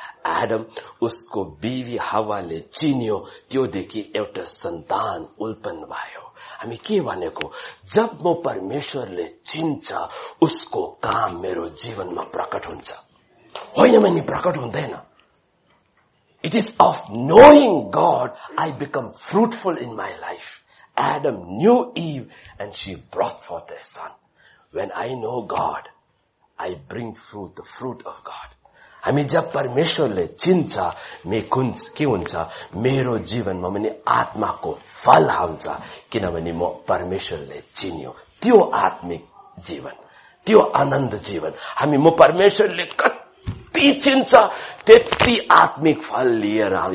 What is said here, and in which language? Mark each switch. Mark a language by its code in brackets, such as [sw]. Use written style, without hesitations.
[ne] Adam उसको बीवी हवाले चिन्यो, त्योदेखि एउटा सन्तान उत्पन्न भयो। हामी के भनेको? जब म परमेश्वरले चिन्छ उसको काम मेरो जीवनमा प्रकट हुन्छ, होइन भने प्रकट हुँदैन। [en] It is of knowing God I become fruitful in my life. Adam knew Eve and she brought forth a son. When I know God, I bring fruit, the fruit of God. [ne] हामी जब परमेश्वरले चिन्छ मे कुन के हुन्छ मेरो जीवनमा पनि आत्माको फल आउँछ, किनभने म परमेश्वरले चिन्यो। त्यो आत्मिक जीवन, त्यो आनन्द जीवन। हामी म परमेश्वरले कति चिन्छ त्यति आत्मिक फल लिएर आउँ।